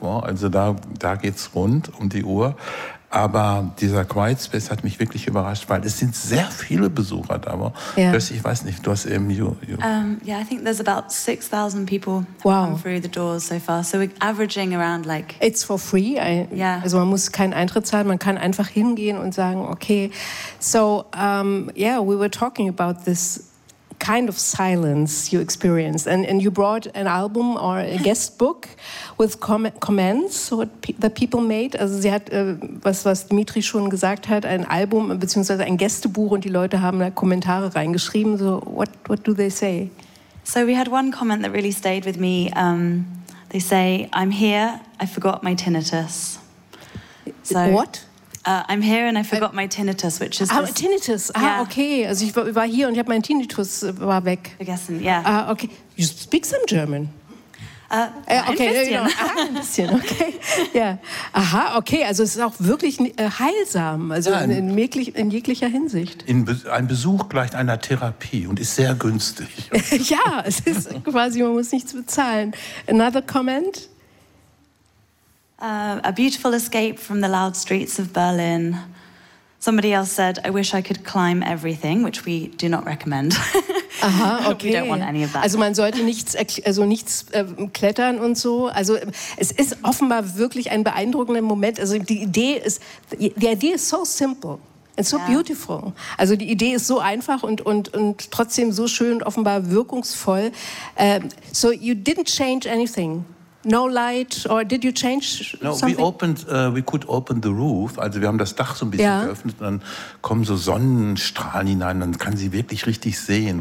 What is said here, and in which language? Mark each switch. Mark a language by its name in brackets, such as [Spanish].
[German] Also da geht's rund um die Uhr. Aber dieser Quiet Space hat mich wirklich überrascht, weil es sind sehr viele Besucher da. Aber yeah. Ich weiß nicht, du hast eben... [English] I think there's about 6,000 people Come through the doors so far. So we're averaging around like... It's for free. [German] Also man muss keinen Eintritt zahlen, man kann einfach hingehen und sagen, okay. [English] So, we were talking about this kind of silence you experienced. And you brought an album or a guest book with comments what the people made. [German] Also sie hat, was Dmitri schon gesagt hat, ein Album bzw. ein Gästebuch und die Leute haben da Kommentare reingeschrieben. [English] So what do they say? So we had one comment that really stayed with me. They say, I'm here, I forgot my tinnitus. So what? I'm here and I forgot my tinnitus, which is... Ah, tinnitus. Yeah. Ah, okay. [German] Also ich war hier und ich habe mein Tinnitus war weg. Vergessen, [English] yeah. Okay. You speak some German? [German] Ein bisschen, okay. Ja. Yeah. Aha, okay. Also es ist auch wirklich heilsam, also ja, in jeglicher Hinsicht. Ein Besuch gleicht einer Therapie und ist sehr günstig. Ja, es ist quasi, man muss nichts bezahlen. [English] Another comment? A beautiful escape from the loud streets of Berlin. Somebody else said, I wish I could climb everything, which we do not recommend. Aha, okay. We don't want any of that. [German] Also man sollte nichts klettern und so. Also es ist offenbar wirklich ein beeindruckender Moment. [English] Also the idea is so simple and so beautiful. [German] Also die Idee ist so einfach und trotzdem so schön und offenbar wirkungsvoll. [English] So you didn't change anything. No light, or did you change something? No, we could open the roof. [German] Also wir haben das Dach so ein bisschen geöffnet und dann kommen so Sonnenstrahlen hinein, dann kann sie wirklich richtig sehen.